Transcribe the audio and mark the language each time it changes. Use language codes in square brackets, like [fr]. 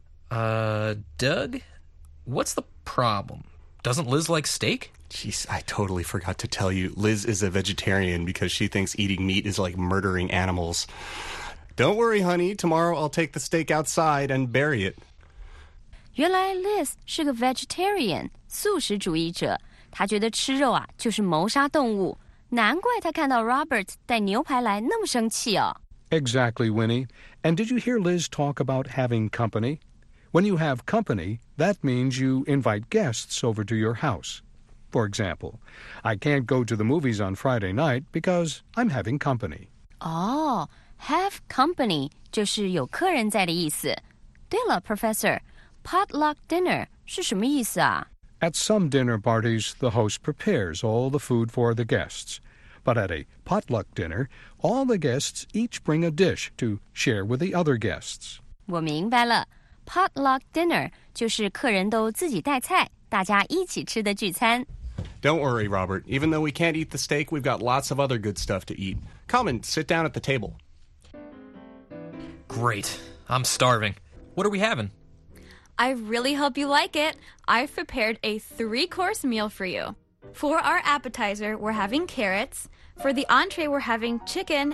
[en] Doug? What's the problem? Doesn't Liz like steak? Jeez, I totally forgot to tell you. Liz is a vegetarian because she thinks eating meat is like murdering animals. Don't worry, honey. Tomorrow I'll take the steak outside and bury it. [zh] 原来 Liz 是个 vegetarian, 素食主义者。他觉得吃肉啊就是谋杀动物，难怪他看到 Robert 带牛排来那么生气哦。 [en] Exactly, Winnie. And did you hear Liz talk about having company? When you have company, that means you invite guests over to your house. For example, I can't go to the movies on Friday night because I'm having company. [zh] Oh, have company 就是有客人在的意思。对了 ，Professor, potluck dinner 是什么意思啊？ [en] At some dinner parties, the host prepares all the food for the guests. But at a potluck dinner, all the guests each bring a dish to share with the other guests. [zh] 我明白了。 Potluck dinner 就是客人都自己带菜，大家一起吃的聚餐。 [en] Don't worry, Robert. Even though we can't eat the steak, we've got lots of other good stuff to eat. Come and sit down at the table. Great. I'm starving. What are we having? I really hope you like it. I've prepared a 3-course meal for you. For our appetizer, we're having carrots. For the entree, we're having chicken.